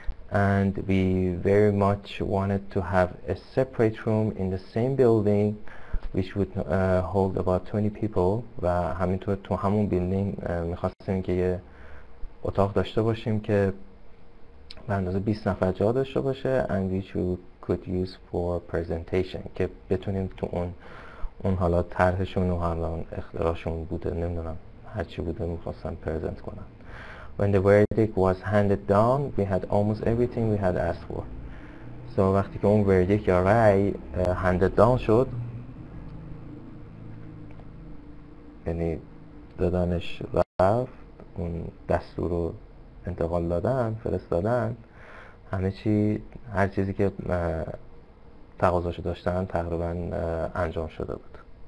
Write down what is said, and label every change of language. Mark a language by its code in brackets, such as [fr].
[en] And we very much wanted to have a separate room in the same building which would hold about 20 people. [fa] و همینطور تو همون بیلدینگ میخواستیم که یه اتاق داشته باشیم که به اندازه 20 نفر جا داشته باشه. [en] And which we could use for presentation [fa] که بتونیم تو اون حالا طرحشون و حالا اختراعشون بوده نمیدونم هرچی بوده میخواستن پرزنت کنن. [en] When the verdict was handed down we had almost everything we had asked for. [fa] So وقتی که اون verdict یا رأی handed down شد یعنی دادنش رفت اون دستور رو انتقال دادن فرستادن همه چی هر چیزی که تقاضاشو داشتن تقریبا انجام شده بود.